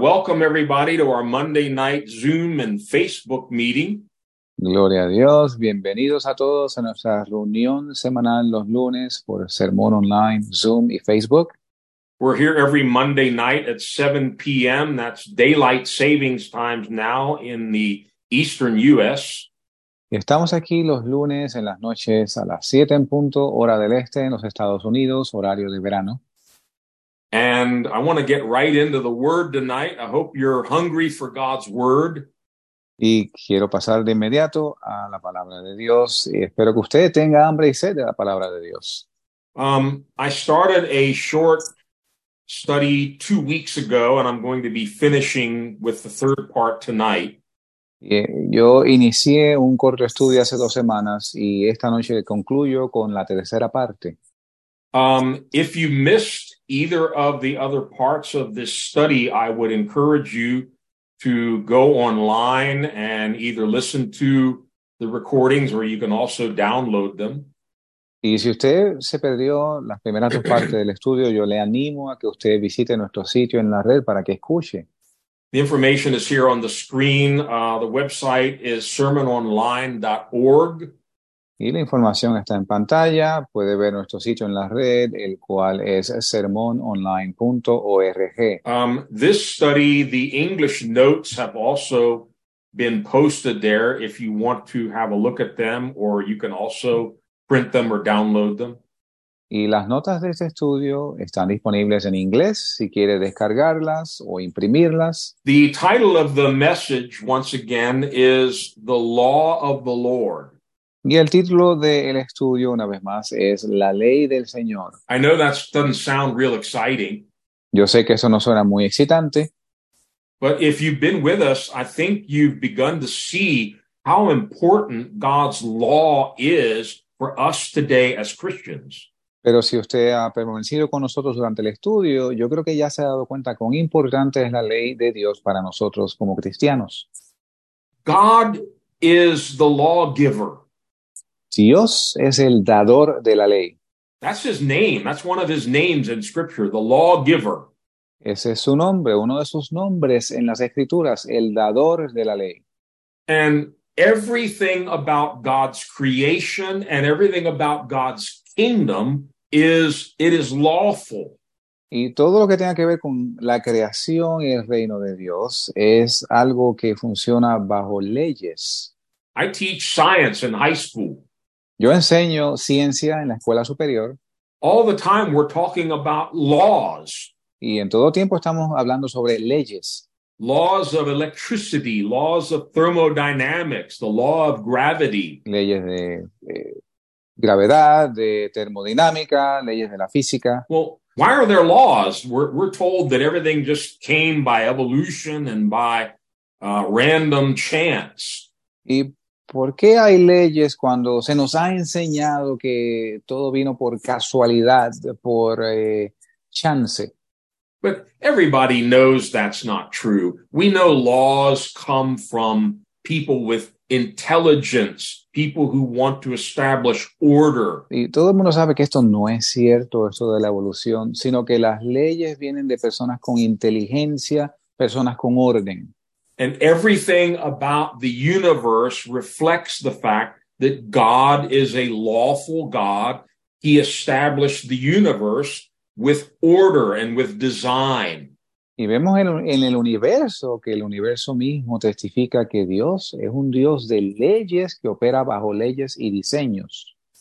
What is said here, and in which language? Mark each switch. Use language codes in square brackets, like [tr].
[en] Welcome, everybody, to our Monday night Zoom and Facebook meeting. [es] Gloria a Dios. Bienvenidos a todos a nuestra reunión semanal los lunes por Sermón Online, Zoom y Facebook. [en] We're here every Monday night at 7 p.m. That's daylight savings times now in the eastern U.S. [es] Estamos aquí los lunes en las noches a las 7 en punto, hora del este en los Estados Unidos, horario de verano. [en] And I want to get right into the word tonight. I hope you're hungry for God's word. [es] Y quiero pasar de inmediato a la palabra de Dios. Y espero que usted tenga hambre y sed de la palabra de Dios. [en] I started a short study 2 weeks ago, and I'm going to be finishing with the third part tonight. [es] Yo inicié un corto estudio hace 2 semanas, y esta noche concluyo con la tercera parte. [en] If you missed either of the other parts of this study, I would encourage you to go online and either listen to the recordings or you can also download them. [es] Y si usted se perdió las primeras dos partes del estudio, yo le animo a que usted visite nuestro sitio en la red para que escuche. [en] The information is here on the screen. The website is sermononline.org. [es] Y la información está en pantalla. Puede ver nuestro sitio en la red, el cual es sermononline.org. [en] This study, the English notes have also been posted there if you want to have a look at them, or you can also print them or download them. [es] Y las notas de este estudio están disponibles en inglés si quiere descargarlas o imprimirlas. [en] The title of the message, once again, is The Law of the Lord. [es] Y el título del estudio, una vez más, es La Ley del Señor. [en] I know that doesn't sound real exciting. [es] Yo sé que eso no suena muy excitante. [en] But if you've been with us, I think you've begun to see how important God's law is for us today as Christians. [es] Pero si usted ha permanecido con nosotros durante el estudio, yo creo que ya se ha dado cuenta cuán importante es la ley de Dios para nosotros como cristianos. [en] God is the lawgiver. [es] Dios es el dador de la ley. [en] That's his name. That's one of his names in Scripture, the lawgiver. [es] Ese es su nombre, uno de sus nombres en las Escrituras, el dador de la ley. [en] And everything about God's creation and everything about God's kingdom is, it is lawful. [es] Y todo lo que tenga que ver con la creación y el reino de Dios es algo que funciona bajo leyes. [en] I teach science in high school. [es] Yo enseño ciencia en la escuela superior. [en] All the time we're talking about laws. [es] Y en todo tiempo estamos hablando sobre leyes. [en] Laws of electricity, laws of thermodynamics, the law of gravity. [es] Leyes de gravedad, de termodinámica, leyes de la física. [en] Well, why are there laws? We're told that everything just came by evolution and by random chance. [es] Y ¿por qué hay leyes cuando se nos ha enseñado que todo vino por casualidad, por chance? [en] But everybody knows that's not true. We know laws come from people with intelligence, people who want to establish order. [es] Y todo el mundo sabe que esto no es cierto, eso de la evolución, sino que las leyes vienen de personas con inteligencia, personas con orden. [en] And everything about the universe reflects the fact that God is a lawful God. He established the universe with order and with design. [es] Y vemos en el universo que el universo mismo testifica que Dios es un Dios de leyes que opera bajo leyes y diseños.